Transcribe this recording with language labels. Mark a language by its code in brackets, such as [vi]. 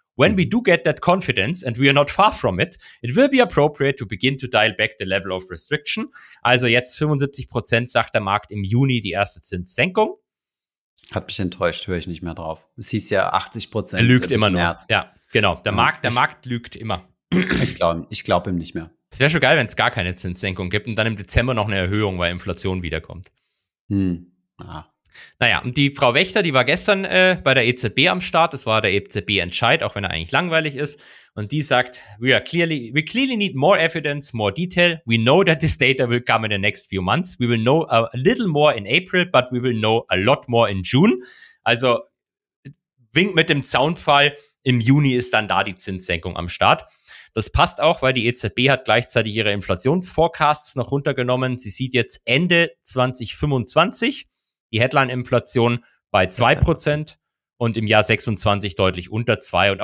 [en] When we do get that confidence, and we are not far from it, it will be appropriate to begin to dial back the level of restriction." [de] Also jetzt 75%, sagt der Markt, im Juni die erste Zinssenkung. Hat mich enttäuscht, höre ich nicht mehr drauf. Es hieß ja 80%. Er lügt immer nur. März. Ja, genau. Der Markt lügt immer. Ich glaub ihm nicht mehr. Es wäre schon geil, wenn es gar keine Zinssenkung gibt und dann im Dezember noch eine Erhöhung, weil Inflation wiederkommt. Naja, und die Frau Wächter, die war gestern bei der EZB am Start. Das war der EZB-Entscheid, auch wenn er eigentlich langweilig ist. Und die sagt: [en] We clearly need more evidence, more detail. We know that this data will come in the next few months. We will know a little more in April, but we will know a lot more in June." [de] Also, wink mit dem Zaunpfahl, im Juni ist dann da die Zinssenkung am Start. Das passt auch, weil die EZB hat gleichzeitig ihre Inflationsforecasts noch runtergenommen. Sie sieht jetzt Ende 2025 die Headline-Inflation bei 2% und im Jahr 26 deutlich unter 2%.